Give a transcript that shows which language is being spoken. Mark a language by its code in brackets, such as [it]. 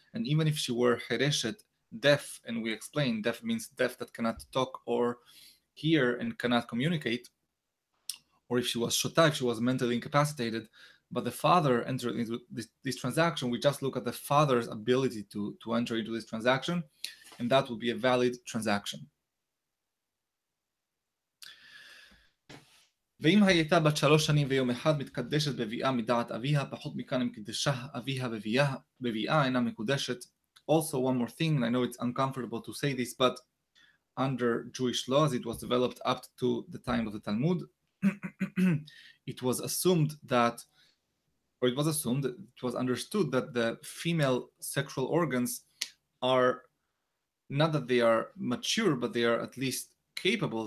[en] And even if she were hereshet, deaf, and we explain deaf means deaf that cannot talk or hear and cannot communicate, or if she was shota, if she was mentally incapacitated, but the father entered into this transaction, we just look at the father's ability to enter into this transaction, and that would be a valid transaction. [he] ואם הייתה בת שלוש שנים ויום אחד מתקדשת בביאה מדעת אביה, פחות מכאן אם קדשה אביה בביאה אינה מקודשת. [en] Also, one more thing, and I know it's uncomfortable to say this, but under Jewish laws, it was developed up to the time of the Talmud, it was assumed that, or it was assumed, it was understood that the female sexual organs are, not that they are mature, but they are at least capable.